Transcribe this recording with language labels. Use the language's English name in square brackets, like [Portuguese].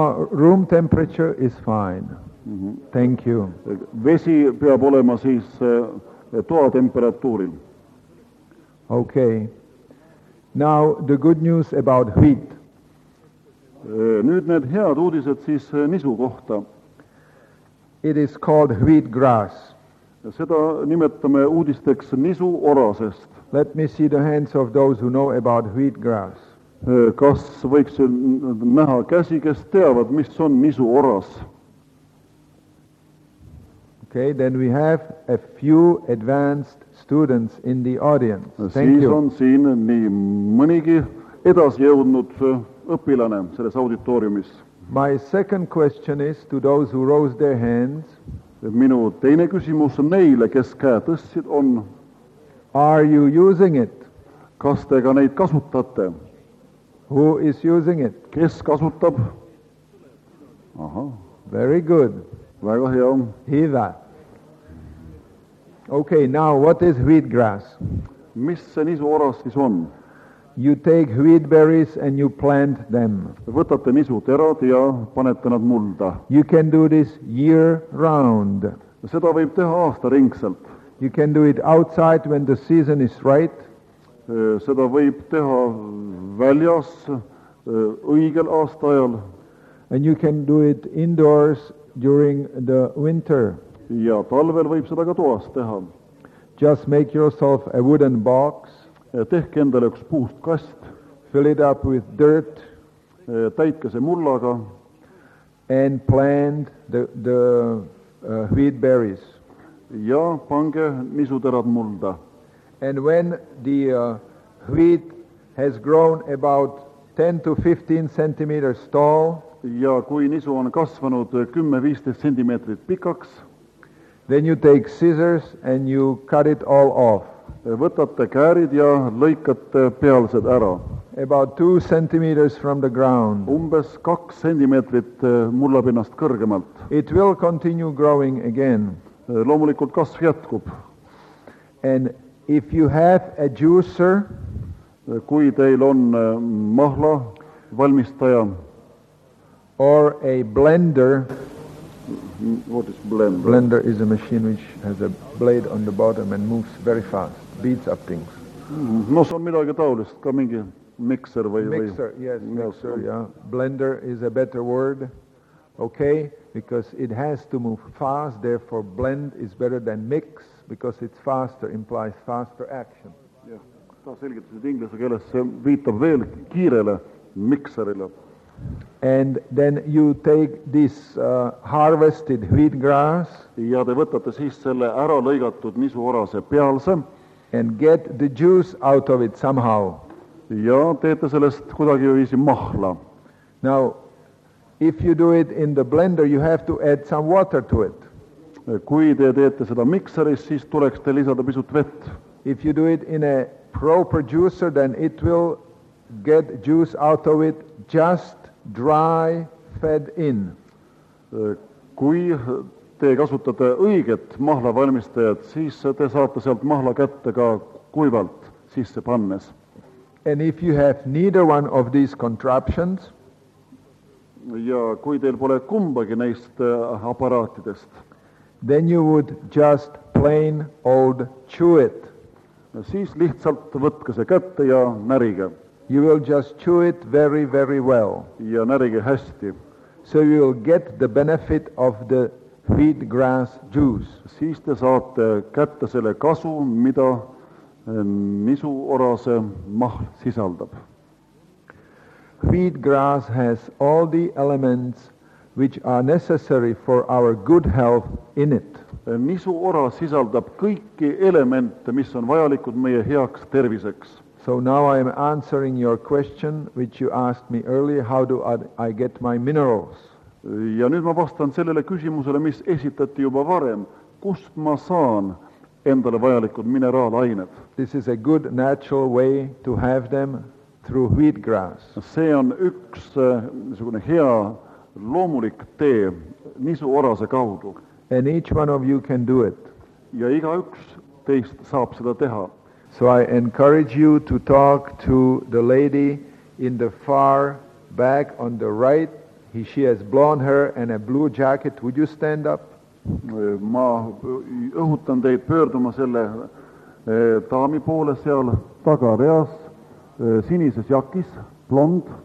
[English] Room temperature is fine. Mm-hmm. Thank you. [Estonian] Vesi peab olema siis toa temperatuuril. [English] Okay. Now the good news about wheat. [Estonian] Nüüd need head uudised siis nisu kohta. [English] It is called wheat grass. [Estonian] Seda nimetame uudisteks nisu orasest. [English] Let me see the hands of those who know about wheat grass. [Estonian] Kas võiks näha käsi, kes teavad, mis on nisu oras? [English] Okay, then we have a few advanced students in the audience. Thank [Estonian] siis [English] you. [Estonian] On siin nii mõnigi edasi jõudnud õpilane selles auditoriumis. [English] My second question is to those who rose their hands. [Estonian] Minu teine küsimus on neile, kes käe tõssid on. [English] Are you using it? [Estonian] Kas te ka neid kasutate? [English] Who is using it? [Estonian] Kes kasutab? [English] Aha. Very good. [Estonian] Väga hea. Hiva. [English] Okay, now what is wheat grass? [Estonian] Mis see nisu oras siis on? [English] You take wheat berries and you plant them. [Estonian] Võtate nisu terad ja panete nad mulda. [English] You can do this year round. [Estonian] Seda võib teha aasta ringselt. [English] You can do it outside when the season is right. [Estonian] Seda võib teha väljas õigel aastaajal. [English] And you can do it indoors during the winter. [Estonian] Ja talvel võib seda ka toas teha. [English] Just make yourself a wooden box. [Estonian] Tehke endale üks puust kast. [English] Fill it up with dirt. [Estonian] Täitke see mullaga. [English] And plant the wheat berries. [Estonian] Ja pange nisuterad mulda. [English] And when the wheat has grown about 10 to 15 centimeters tall, [Estonian] ja kui nisu on kasvanud 10-15 centimeetrit pikaks, [English] then you take scissors and you cut it all off. [Estonian] Võtate käärid ja lõikate pealsed ära. [English] About 2 centimeters from the ground. [Estonian] Umbes 2 centimeetrit mullapinnast kõrgemalt. [English] It will continue growing again. [Estonian] Loomulikult kasv jätkub. [English] And if you have a juicer, [Estonian] kui teil on mahla valmistaja, [English] or a blender, what is blender? Blender is a machine which has a blade on the bottom and moves very fast, beats up things. [Estonian] No, see on midagi taulist, ka mingi mixer või... [English] Mixer, yes. Blender is a better word, okay, because it has to move fast, therefore blend is better than mix. Because it's faster, implies faster action. [Estonian] Ta selgitas, et inglise keeles viitab veel kiirele mikserile. [English] And then you take this harvested wheat grass. [Estonian] Ja te võtate siis selle ära lõigatud nisu orase pealse. [English] And get the juice out of it somehow. [Estonian] Ja teete sellest kuidagi viisi mahla. [English] Now, if you do it in the blender, you have to add some water to it. [Estonian] Kui te teete seda mikseris, siis tuleks te lisada pisut vett. [English] If you do it in a proper juicer, then it will get juice out of it just dry, fed in. [Estonian] Kui te kasutate õiget mahla valmistajat, siis te saate sealt mahla kätte ka kuivalt sisse pannes. [English] And if you have neither one of these contraptions, [Estonian] ja kui teil pole kumbagi neist aparaatidest, [English] then you would just plain old chew it. [Estonian] Siis lihtsalt võtke see kätte ja närige. [English] You will just chew it very, very well. [Estonian] Ja närige hästi. [English] So you will get the benefit of the wheat grass juice. [Estonian] Siis te saate kätte selle kasu, mida nisu orase mahl sisaldab. [English] Wheat grass has all the elements which are necessary for our good health in it. [Estonian] Nisu ora sisaldab kõiki elemente, mis on vajalikud meie heaks terviseks. [English] So now I am answering your question which you asked me earlier, how do I get my minerals? [Estonian] Ja nüüd ma vastan sellele küsimusele, mis esitati juba varem, kust ma saan endale vajalikud mineraalained. [English] This is a good natural way to have them through wheat grass. [Estonian] See on üks niisugune hea loomulik tee nisu orase kaudu. [English] And each one of you can do it. [Estonian] Ja iga üks teist saab seda teha. [English] So I encourage you to talk to the lady in the far back on the right. She has blonde hair and a blue jacket. Would you stand up? [Estonian] Ma õhutan teid pöörduma selle daami poole seal tagareas sinises jakis, blond.